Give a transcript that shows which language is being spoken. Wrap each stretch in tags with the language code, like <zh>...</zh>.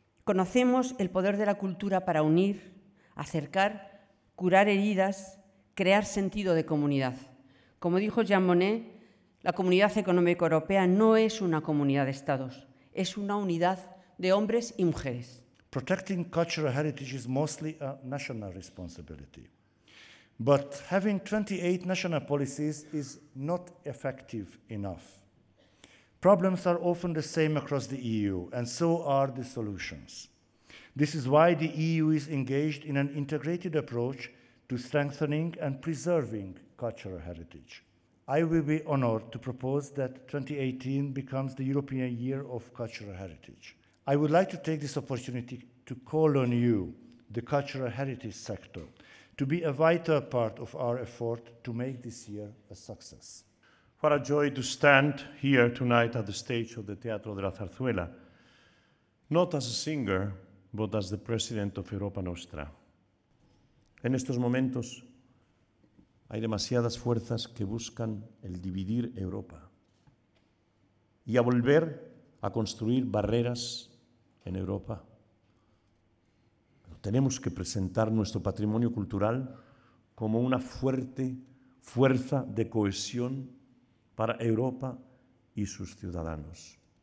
<es>Conocemos el poder de la cultura para unir, acercar, curar heridas, crear sentido de comunidad. Como dijo Jean Monnet, la Comunidad Económica Europea no es una comunidad de estados, es una unidad de hombres y mujeres.</es> <en>Protecting cultural heritage is mostly a national responsibility. But having 28 national policies is not effective enough. Problems are often the same across the EU, and so are the solutions. This is why the EU is engaged in an integrated approach to strengthening and preserving cultural heritage. I will be honored to propose that 2018 becomes the European Year of Cultural Heritage. I would like to take this opportunity to call on you, the cultural heritage sector, to be a vital part of our effort to make this year a success. What a joy to stand here tonight at the stage of the Teatro de la Zarzuela, not as a singer, but as the president of Europa Nostra.</en> <es>En estos momentos, hay demasiadas fuerzas que buscan el dividir Europa y a volver a construir barreras en Europa. Pero tenemos que presentar nuestro patrimonio cultural como una fuerte fuerza de cohesión para Europa y sus ciudadanos.</es>